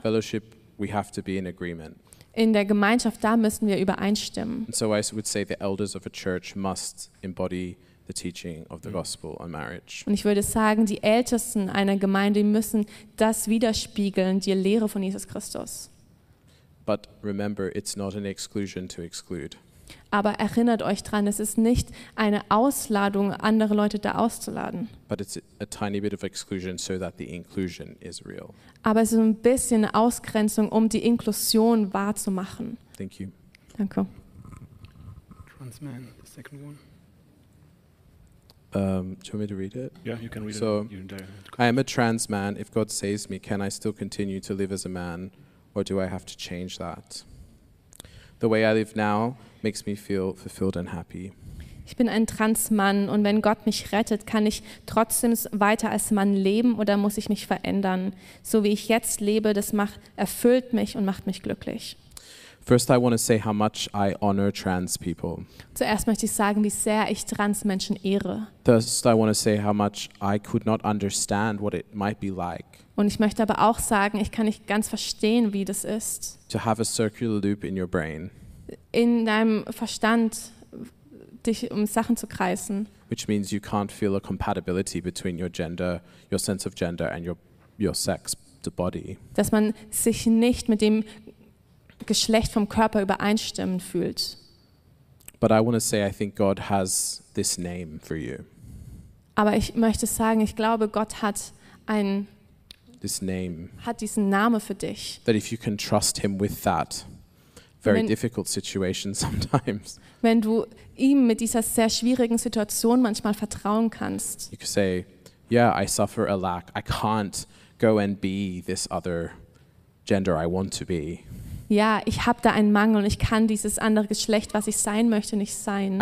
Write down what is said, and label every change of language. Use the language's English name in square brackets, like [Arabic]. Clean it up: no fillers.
[English] Fellowship, we have to be in agreement. [German] In der Gemeinschaft, da müssen wir übereinstimmen. [English] And so I would say the elders of a church must embody the teaching of the gospel on marriage. [German] Und ich würde sagen, die Ältesten einer Gemeinde müssen das widerspiegeln, die Lehre von Jesus Christus. [English] But remember, it's not an exclusion to exclude. [German] Aber erinnert euch dran, es ist nicht eine Ausladung, andere Leute da auszuladen. [English] But it's a tiny bit of exclusion so that the inclusion is real. [German] Aber es ist ein bisschen Ausgrenzung, um die Inklusion wahrzumachen. [English] Thank you. [German] Danke. [English] Trans man, the second one. Do you want me to read it? Yeah, you can read so, it. So, I am a trans man. If God saves me, can I still continue to live as a man? Or do I have to change that? The way I live now makes me feel fulfilled and happy. [German] Ich bin ein Transmann und wenn Gott mich rettet, kann ich trotzdem weiter als Mann leben oder muss ich mich verändern? So wie ich jetzt lebe, das erfüllt mich und macht mich glücklich. [English] First, I want to say how much I honor trans people. [German] Zuerst möchte ich sagen, wie sehr ich Transmenschen ehre. [English] First, I want to say how much I could not understand what it might be like. [German] Und ich möchte aber auch sagen, ich kann nicht ganz verstehen, wie das ist. [English] To have a circular loop in your brain. [German] In deinem Verstand dich um Sachen zu kreisen. [English] Which means you can't feel a compatibility between your gender, your sense of gender and your sex, the body. [German] Dass man sich nicht mit dem Geschlecht vom Körper übereinstimmen fühlt. [English] But I want to say I think God has this name for you. [German] Aber ich möchte sagen, ich glaube Gott hat ein [English] this name. [German] Hat diesen Namen für dich. [English] That if you can trust him with that very difficult situation sometimes. [German] Wenn du ihm mit dieser sehr schwierigen Situation manchmal vertrauen kannst. [English] You could say, yeah, I suffer a lack. I can't go and be this other gender I want to be. [German] Ja, ich habe da einen Mangel und ich kann dieses andere Geschlecht, was ich sein möchte, nicht sein.